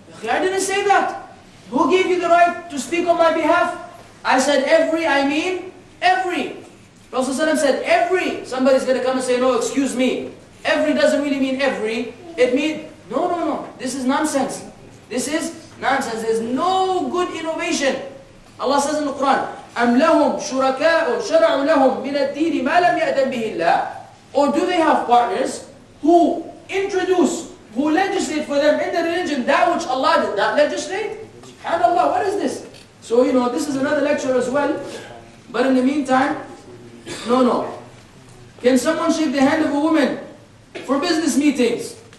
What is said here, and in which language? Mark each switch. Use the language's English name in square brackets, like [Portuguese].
[English] I didn't say that. Who gave you the right to speak on my behalf? I said every, I mean every. Prophet ﷺ said every. Somebody's going to come and say, no, excuse me. Every doesn't really mean every. It means, no. This is nonsense. There's no good innovation. Allah says in the Quran, [Arabic] أَمْ لَهُمْ شُرَكَاءُ شَرَعُ لَهُمْ مِنَ الدِّينِ مَا لَمْ يَأْدَمْ بِهِ اللَّهِ. [English] Or do they have partners who introduce, who legislate for them in the religion that which Allah did not legislate? SubhanAllah, what is this? So, this is another lecture as well. But in the meantime, no. Can someone shake the hand of a woman for business meetings?